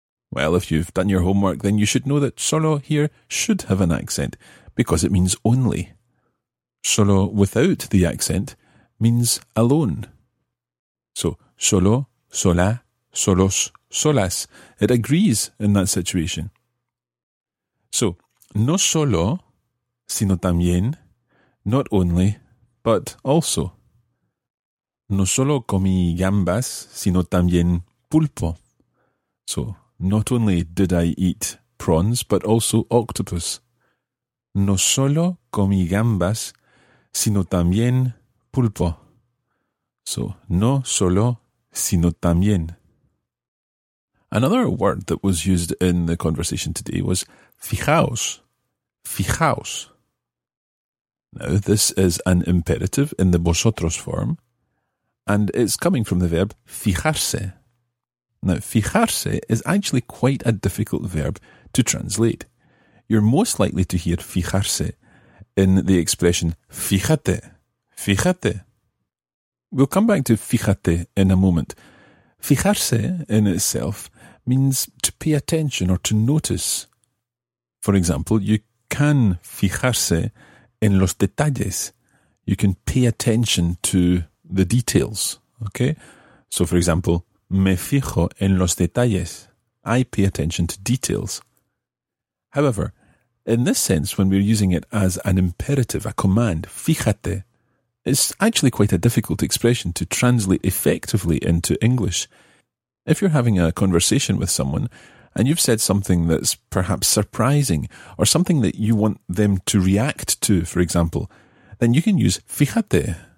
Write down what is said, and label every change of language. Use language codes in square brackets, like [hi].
[en] Well, if you've done your homework, then you should know that solo here should have an accent, because it means only. Solo without the accent means alone. So, solo, sola, solos, solas. It agrees in that situation. So, [es] no solo, sino también, [en] not only, but also. [es] No solo comí gambas, sino también pulpo. [en] So, not only did I eat prawns, but also octopus. [es] No solo comí gambas, sino también pulpo. So, no solo, sino también. [en] Another word that was used in the conversation today was fijaos, fijaos. Now, this is an imperative in the vosotros form, and it's coming from the verb fijarse. Now, fijarse is actually quite a difficult verb to translate. You're most likely to hear fijarse in the expression fíjate, fíjate. We'll come back to fíjate in a moment. Fijarse in itself means to pay attention or to notice. For example, you can fijarse [es] en los detalles. [en] You can pay attention to the details, okay? So, for example, [es] me fijo en los detalles. [en] I pay attention to details. However, in this sense, when we're using it as an imperative, a command, fíjate, it's actually quite a difficult expression to translate effectively into English. If you're having a conversation with someone and you've said something that's perhaps surprising or something that you want them to react to, for example, then you can use fíjate.